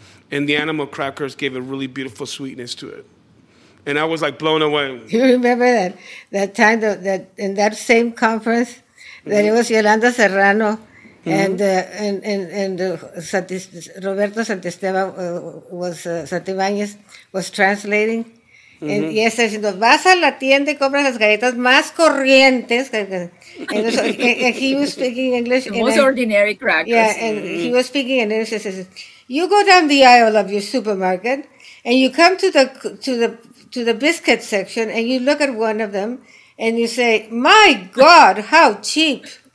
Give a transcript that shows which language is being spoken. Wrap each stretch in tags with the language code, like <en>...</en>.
<en>And the animal crackers gave a really beautiful sweetness to it. And I was like blown away. You remember that time that in that same conference, mm-hmm. that it was Yolanda Serrano, mm-hmm. and Roberto Santisteban was Santibáñez was translating. Mm-hmm. And yes, they said,</en> <es>vas a la tienda y compras las galletas más corrientes.</es> <en>And so, and he was speaking English. The most ordinary crackers. Yeah, and mm-hmm. he was speaking in English. He says, you go down the aisle of your supermarket, and you come to the biscuit section, and you look at one of them, and you say, my God, how cheap.</en>